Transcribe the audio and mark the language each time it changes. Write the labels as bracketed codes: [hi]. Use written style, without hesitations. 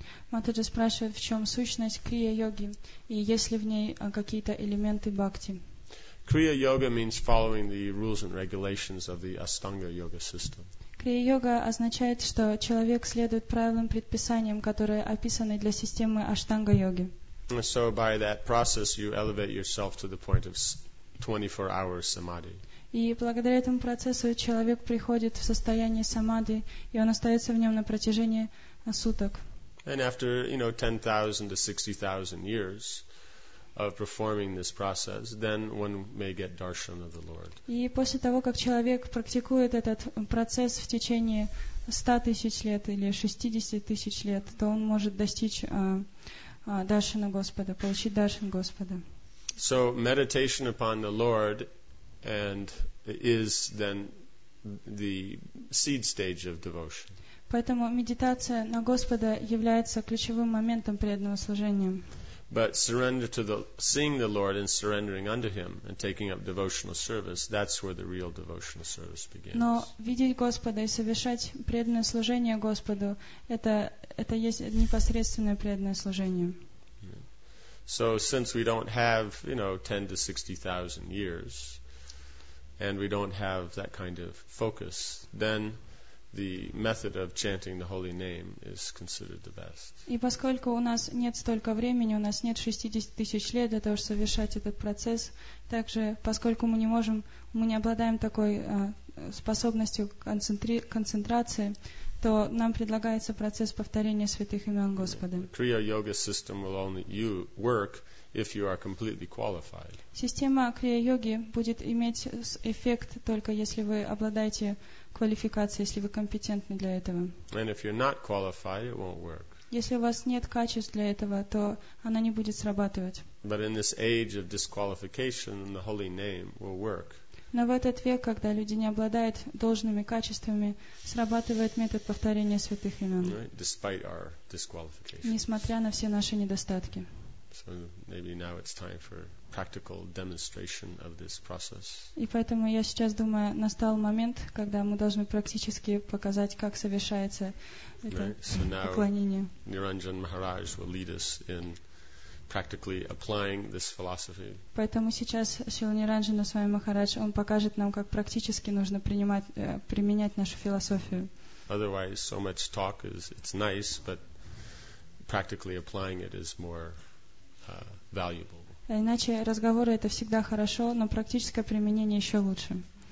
[ru] Матаджи спрашивает, в чем сущность крия-йоги, и есть ли в ней какие-то элементы бхакти. [en] Kriya Yoga means following the rules and regulations of the Astanga Yoga system. [ru] Крия йога означает, что человек следует правилам и предписаниям, которые описаны для системы Аштанга йоги. [en] So by that process you elevate yourself to the point of 24-hour samadhi. [ru] И благодаря этому процессу человек приходит в состояние самадхи, и он остается в нем на протяжении суток. [en] And after, you know, 10,000 to 60,000 years of performing this process, then one may get darshan of the Lord. [ru] И после того, как человек практикует этот процесс в течение 100 тысяч лет или 60 тысяч лет, то он может достичь даршана Господа, получить даршан Господа. [en] So meditation upon the Lord and is then the seed stage of devotion. [ru] Поэтому медитация на Господа является ключевым моментом преданного служения. [en] But surrender to the seeing the Lord and surrendering unto Him and taking up devotional service, that's where the real devotional service begins. [ru] Но видеть Господа и совершать преданное служение Господу – это есть непосредственное преданное служение. [en] So since we don't have, you know, 10 to 60,000 years, and we don't have that kind of focus, then the method of chanting the holy name is considered the best. [ru] И поскольку у нас нет столько времени, у нас нет 60 тысяч лет для того, чтобы совершать этот процесс, также поскольку мы не можем, мы не обладаем такой способностью концентрации, то нам предлагается процесс повторения святых имен Господа. [en] The Kriya Yoga system will only work if you are completely qualified. [ru] Система Крия-йоги будет иметь эффект только если вы обладаете квалификацией, если вы компетентны для этого. [en] And if you're not qualified, it won't work. [ru] Если у вас нет качеств для этого, то она не будет срабатывать. [en] But in this age of disqualification, the holy name will work. [ru] Но в этот век, когда люди не обладают должными качествами, срабатывает метод повторения святых имен. [en] Right? Despite our disqualifications. [ru] Несмотря на все наши недостатки. [en] So maybe now it's time for practical demonstration of this process. [ru] И поэтому я сейчас думаю, настал момент, когда мы должны практически показать, как совершается это поклонение. [en] So now Niranjan Maharaj will lead us in practically applying this philosophy. [ru] Поэтому сейчас Шрила Ниранджана Свами Махарадж, он покажет нам, как практически нужно применять нашу философию. [en] Otherwise, so much talk is it's nice, but practically applying it is more valuable. [ru] Иначе разговоры это всегда хорошо, но практическое применение еще лучше.